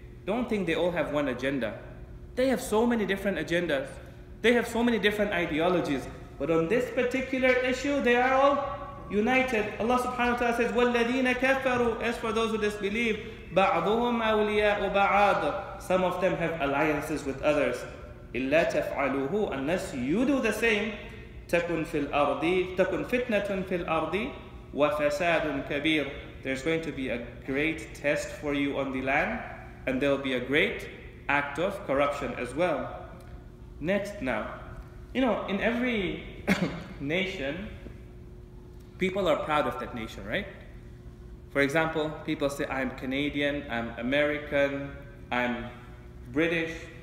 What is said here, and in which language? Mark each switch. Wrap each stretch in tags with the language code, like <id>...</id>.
<en>Don't think they all have one agenda. They have so many different agendas. They have so many different ideologies. But on this particular issue, they are all united. Allah subhanahu wa ta'ala says,</en> <ar>وَالَّذِينَ كَفَرُوا.</ar> <en>As for those who disbelieve,</en> <ar>بَعْضُهُمْ أَوْلِيَاءُ بَعَاضٍ.</ar> <en>Some of them have alliances with others.</en> <ar>إِلَّا تَفْعَلُوهُ.</ar> <en>Unless you do the same,</en> <ar>تَكُنْ فِي الْأَرْضِ تَكُنْ فِتْنَةٌ فِي الْأَرْضِ وَفَسَادٌ كَبِيرٌ.</ar> <en>There's going to be a great test for you on the land, and there'll be a great act of corruption as well. Next now. You know, in every nation, people are proud of that nation, right? For example, people say, I'm Canadian, I'm American, I'm British.</en>